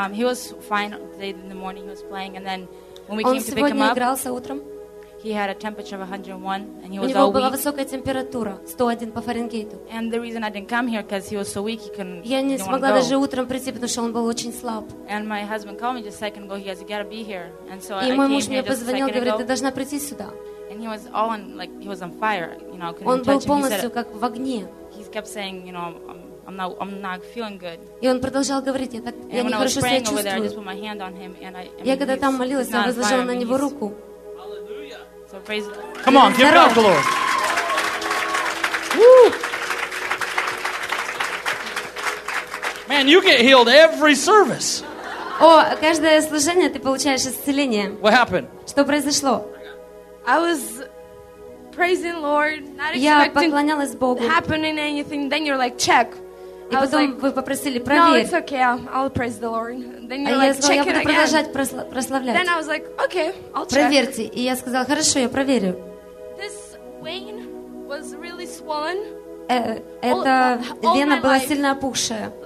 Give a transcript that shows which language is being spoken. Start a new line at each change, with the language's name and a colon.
English: He was fine in the morning. He was playing, and then
Russian: он сегодня игрался утром.
English: He had a temperature of 101, and he was
Russian: у него была высокая температура, 101 по Фаренгейту.
English: And the reason I didn't come here because he was so weak, he couldn't.
Russian: Я не смогла даже утром прийти, потому что он был очень слаб.
English: And my husband called me just a second ago. He has got to be here, and so
Russian: и мой муж мне позвонил, говорит, ты должна прийти сюда.
English: And he was all on, like he was on fire, you know,
Russian: он был полностью как в огне.
English: He kept saying, you know, I'm not feeling good.
Russian: И он продолжал говорить, я не хорошо себя чувствую. Я когда там молилась, я возложила на него руку.
English: Come on, give it up, Lord. Man, you get healed every service.
Russian: О, каждое служение ты получаешь исцеление.
English: What happened?
Russian: Что произошло?
English: I was praising Lord, not expecting happening anything. Then you're like, check.
Russian: И потом вы попросили проверить.
English: No, it's okay. I'll praise the Lord. Then you're like, check it again.
Russian: Я буду продолжать прославлять.
English: Then I was like, okay, I'll check.
Russian: Проверьте. И я сказала, хорошо, я проверю.
English: This vein was really swollen.
Russian: Эта вена была сильно опухшая.